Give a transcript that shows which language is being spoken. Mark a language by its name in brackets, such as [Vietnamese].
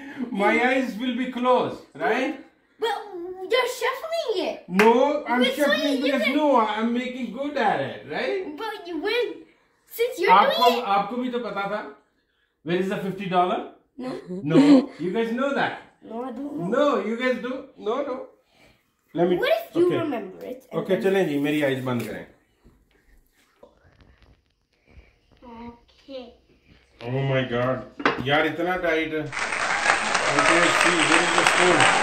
[English] My eyes will be closed, right? But you're shuffling it. No, I'm shuffling because no, I'm making good at it, right? But you will. Since you're [Hindi] आपको [English] doing... [Hindi] आपको भी तो पता था [English] where is the $50 no no you guys know that no I don't no you guys do no no let me what if you okay. remember it okay then... [Hindi] चलें जी मेरी eyes बंद करें [English] okay oh my god [Hindi] यार इतना tight [English] okay see here is the spoon